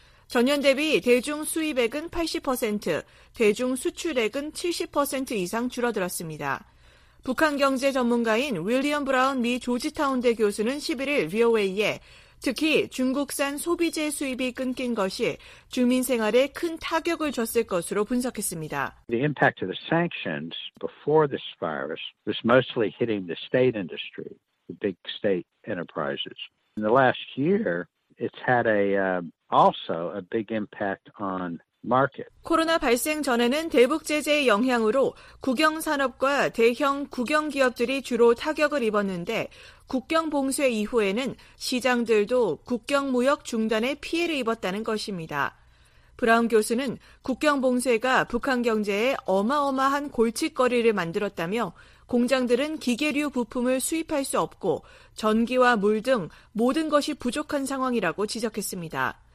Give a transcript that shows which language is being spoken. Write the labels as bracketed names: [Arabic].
[Korean] 전년 대비 대중 수입액은 80%, 대중 수출액은 70% 이상 줄어들었습니다. 북한 경제 전문가인 윌리엄 브라운 미 조지타운대 교수는 11일 VOA에 특히 중국산 소비재 수입이 끊긴 것이 주민 생활에 큰 타격을 줬을 것으로 분석했습니다. [English] The impact of the sanctions before this virus was mostly hitting the state industry, the big state enterprises. In the last year, it's had a also a big impact on market. [Korean] 코로나 발생 전에는 대북 제재의 영향으로 국영 산업과 대형 국영 기업들이 주로 타격을 입었는데 국경 봉쇄 이후에는 시장들도 국경 무역 중단에 피해를 입었다는 것입니다. 브라운 교수는 국경 봉쇄가 북한 경제에 어마어마한 골칫거리를 만들었다며 공장들은 기계류 부품을 수입할 수 없고 전기와 물 등 모든 것이 부족한 상황이라고 지적했습니다.